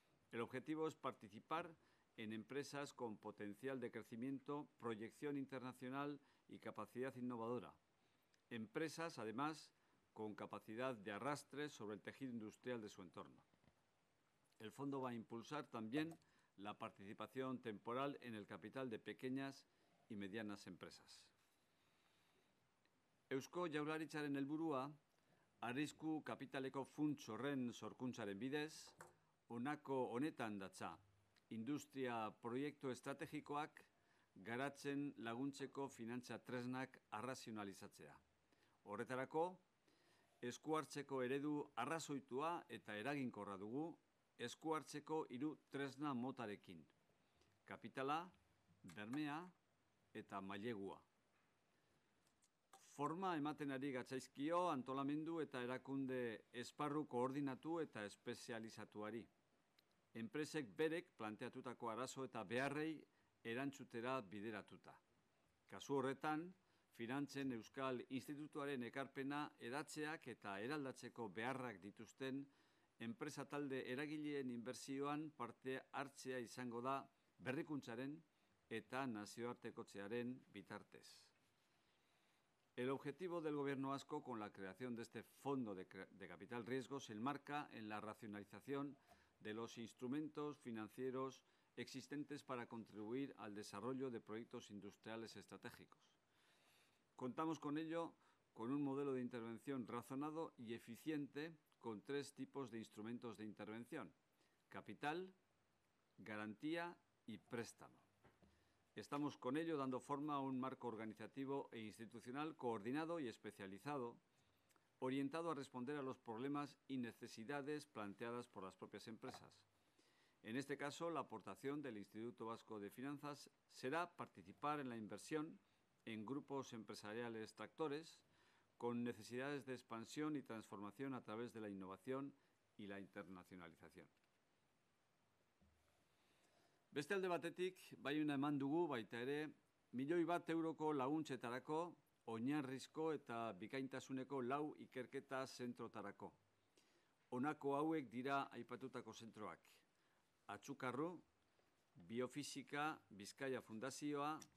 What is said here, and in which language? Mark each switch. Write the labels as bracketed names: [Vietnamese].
[Spanish] El objetivo es participar en empresas con potencial de crecimiento, proyección internacional y capacidad innovadora. Empresas, además, con capacidad de arrastre sobre el tejido industrial de su entorno. El fondo va a impulsar también la participación temporal en el capital de pequeñas y medianas empresas. [Basque] Eusko Jaularitzaren helburua, arrisku kapitaleko funts horren sorkuntzaren bidez, honako honetan datza, industria proiektu estrategikoak garatzen laguntzeko finantza tresnak arrazionalizatzea. Horretarako, esku hartzeko eredu arrazoitua eta eraginkorra dugu, esku hartzeko hiru tresna motarekin, kapitala, bermea eta mailegua. Forma ematen ari gatzaizkio antolamendu eta erakunde esparru koordinatu eta espezializatuari. Enpresek berek planteatutako arazo eta beharrei erantzutera bideratuta. Kasu horretan, Finantzen Euskal Institutuaren ekarpena edatzeak eta eraldatzeko beharrak dituzten enpresa talde eragileen inbertsioan parte hartzea izango da berrikuntzaren eta nazioartekotzearen bitartez. [Spanish] El objetivo del Gobierno Vasco con la creación de este fondo de capital riesgo se enmarca en la racionalización de los instrumentos financieros existentes para contribuir al desarrollo de proyectos industriales estratégicos. Contamos con ello con un modelo de intervención razonado y eficiente con tres tipos de instrumentos de intervención: capital, garantía y préstamo. Estamos con ello dando forma a un marco organizativo e institucional coordinado y especializado, orientado a responder a los problemas y necesidades planteadas por las propias empresas. En este caso, la aportación del Instituto Vasco de Finanzas será participar en la inversión en grupos empresariales tractores con necesidades de expansión y transformación a través de la innovación y la internacionalización. [Basque] Beste alde batetik, baiuna eman dugu baita ere, 1.000.000 euroko laguntzetarako, oinarrizko eta bikaintasuneko lau ikerketa zentrotarako. Honako hauek dira aipatutako zentroak: Atxukarru, Biofisika, Bizkaia Fundazioa,